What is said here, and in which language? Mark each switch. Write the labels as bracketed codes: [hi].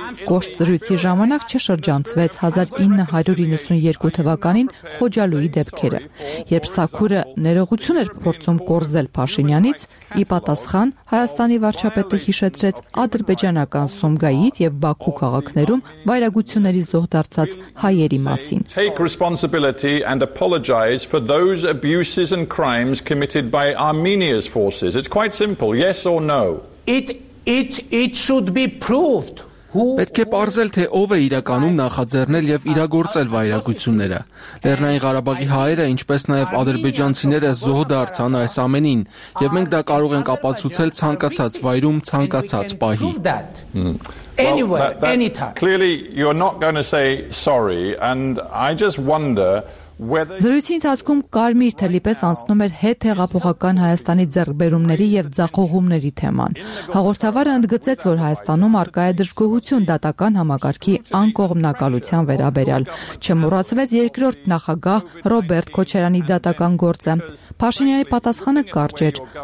[hy] Կոշտրույցի ժամանակ չշրջանցվեց 1992 թվականին Խոջալուի դեպքերը, երբ Սաքուրը ներողություն էր փորձում կորզել Փաշինյանից, ի պատասխան Հայաստանի վարչապետը հիշեցրեց ադրբեջանական Սումգայիթ եւ Բաքու քաղաքներում վայրագությունների զոհ դարձած հայերի մասին։ [en] And apologize for those abuses and crimes committed by Armenia's forces. It's quite simple, yes or no. It should be proved. [hy] Պետք է պարզել, թե ով է իրականում նախաձեռնել եւ իրագործել վայրագությունները։ Լեռնային Ղարաբաղի հայերը, ինչպես նաեւ ադրբեջանցիները զոհ դարձան այս ամենին, եւ մենք դա կարող ենք ապացուցել ցանկացած վայրում, ցանկացած պահի։ [en] Clearly you're not going to say sorry, and I just wonder [hy] Զրույցի ընթացքում կարմիր թելիպես անցնում էր հետհեղափոխական Հայաստանի ձեռքբերումների եւ ձախողումների թեման։ Հաղորդավարը ընդգծեց, որ Հայաստանում առկա է դժգոհություն դատական համակարգի անկողմնակալության վերաբերյալ։ Չմոռացվեց երկրորդ նախագահ Ռոբերտ Քոչարյանի դատական գործը։ Փաշինյանի պատասխանը կարճ էր.